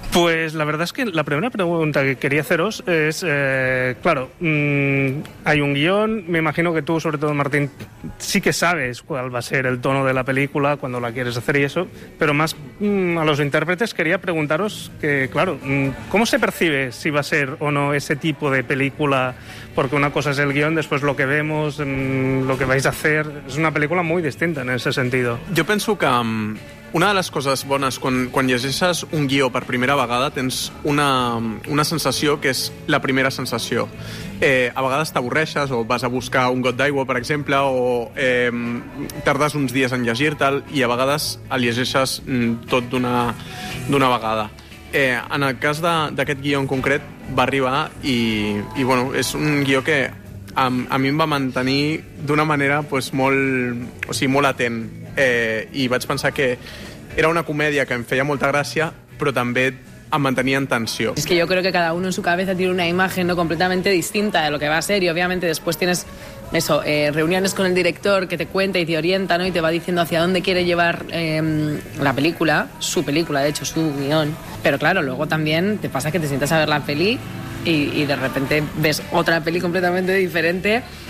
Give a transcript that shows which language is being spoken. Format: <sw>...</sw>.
<es>Pues la verdad es que la primera pregunta que quería haceros es, claro, hay un guión, me imagino que tú, sobre todo Martín, sí que sabes cuál va a ser el tono de la película, cuando la quieres hacer y eso, pero más a los intérpretes quería preguntaros que, claro, ¿cómo se percibe si va a ser o no ese tipo de película? Porque una cosa es el guión, después lo que vemos, lo que vais a hacer, es una película muy distinta en ese sentido. Yo pienso que una de las cosas buenas cuando</es> <ca>llegeixes un guió per primera vegada tens una sensació que és la primera sensació. A vegades t'avorreixes o vas a buscar un got d'aigua, per exemple, o tardes uns dies en llegir-te'l i a vegades el llegeixes tot d'una vegada. En el cas d'aquest guió en concret va arribar i bueno, és un guió que a mi em va mantenir d'una manera pues, molt, o sigui, molt atent. I vaig pensar que era una comèdia que em feia molta gràcia, però també em mantenia en tensió.</ca> <es>Es que yo creo que cada uno en su cabeza tiene una imagen, ¿no?, completamente distinta de lo que va a ser, y obviamente después tienes eso, reuniones con el director que te cuenta y te orienta, ¿no?, y te va diciendo hacia dónde quiere llevar la película, su película, de hecho, su guión. Pero claro, luego también te pasa que te sientas a ver la peli y de repente ves otra peli completamente diferente.</es>